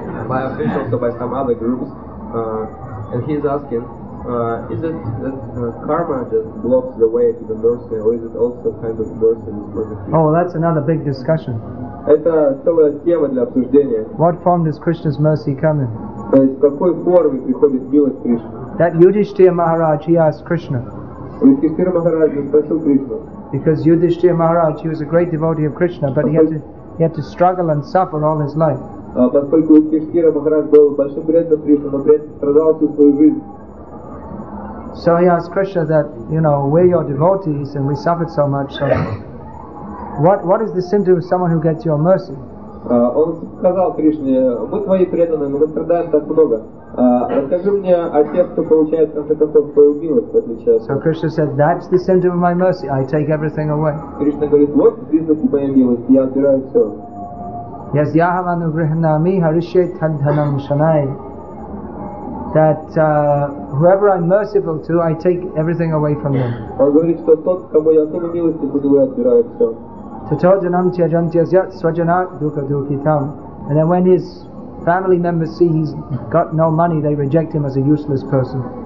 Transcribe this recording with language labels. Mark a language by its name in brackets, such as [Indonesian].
[English] By officials or by some other groups. And he's asking, is it that karma just blocks the way to the mercy, or is it also kind of mercy is persecuted? Oh, well, that's another big discussion. [Russian] Это целая тема для обсуждения. [English] What form does Krishna's mercy come in? [Russian] То есть, в какой форме приходит милость Кришны? [English] That Yudhishthira Maharaj, he asked Krishna. [Russian] Yudhishthira Maharaj спросил Кришну. [English] Because Yudhishthira Maharaj, he was a great devotee of Krishna, but he had to struggle and suffer all his life. [Russian] Поскольку Yudhishthira Maharaj был большим преданным Кришне, но страдал всю свою жизнь. [English] So he asked Krishna that, you know, we're your devotees and we suffered so much, so what is the symptom of someone who gets your mercy? [Russian] Он сказал Кришне, мы твои преданные, мы страдаем так много. Расскажи мне о тех, кто получает от этого твою милость, в отличие от... [English] So Krishna said, that's the center of my mercy, I take everything away. [Russian] Кришна говорит, вот признак моей милости, я отбираю все. [English] Yes, [Sanskrit] yaham anugrihanami harishye tadhanam shanai. [English] That whoever I'm merciful to, I take everything away from them. [Russian] Он говорит, что тот, кому я особой милости буду, я отбираю все. [English] And then when his family members see he's got no money, they reject him as a useless person.